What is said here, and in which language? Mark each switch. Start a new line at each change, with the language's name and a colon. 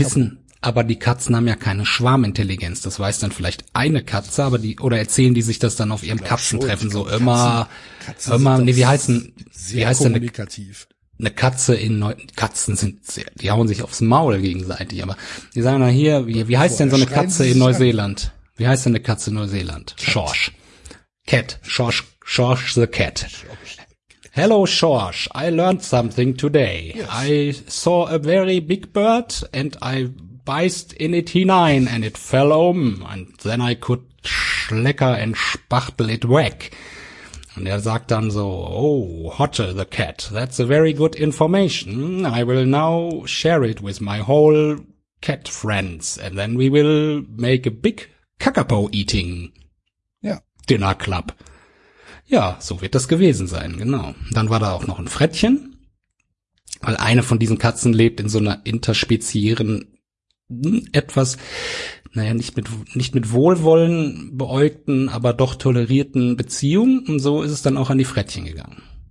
German: Wissen, aber die Katzen haben ja keine Schwarmintelligenz. Das weiß dann vielleicht eine Katze, aber die, oder erzählen die sich das dann auf ihrem Katzentreffen so immer, kommunikativ. Eine Katze in Katzen sind sehr, die hauen sich aufs Maul gegenseitig, aber die sagen dann hier, wie heißt denn so eine Katze in Neuseeland? Wie heißt denn eine Katze in Neuseeland?
English: Schorsch. Cat, Schorsch the Cat. Hello, Schorsch, I learned something today. Yes. I saw a very big bird and I bised in it hinein and it fell om. And then I could schlecker and spachtel it weg.
German: Und er sagt dann so,
English: oh, Hotte the Cat, that's a very good information. I will now share it with my whole cat friends and then we will make a big Kakapo eating. Dinner Club.
German: Ja, so wird das gewesen sein, genau. Dann war da auch noch ein Frettchen, weil eine von diesen Katzen lebt in so einer interspeziären etwas, naja, nicht mit Wohlwollen beäugten, aber doch tolerierten Beziehung. Und so ist es dann auch an die Frettchen gegangen.